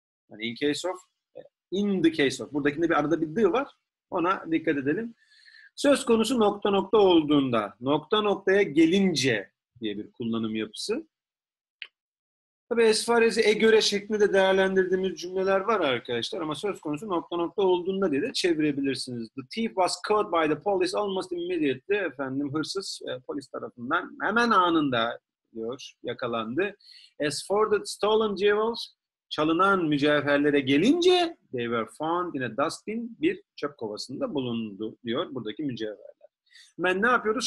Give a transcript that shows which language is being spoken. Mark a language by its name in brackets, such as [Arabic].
[English] Yani in case of, in the case of. [Turkish] Buradakinde bir arada bir the var. Ona dikkat edelim. Söz konusu nokta nokta olduğunda, nokta noktaya gelince diye bir kullanım yapısı. Tabii as far as e göre şeklinde değerlendirdiğimiz cümleler var arkadaşlar. Ama söz konusu nokta nokta olduğunda diye de çevirebilirsiniz. [English] The thief was caught by the police almost immediately. [Turkish] Efendim hırsız polis tarafından hemen anında diyor yakalandı. [English] As for the stolen jewels, [Turkish] çalınan mücevherlere gelince [English] they were found in a dustbin, [Turkish] bir çöp kovasında bulundu diyor buradaki mücevher. Ben ne yapıyoruz?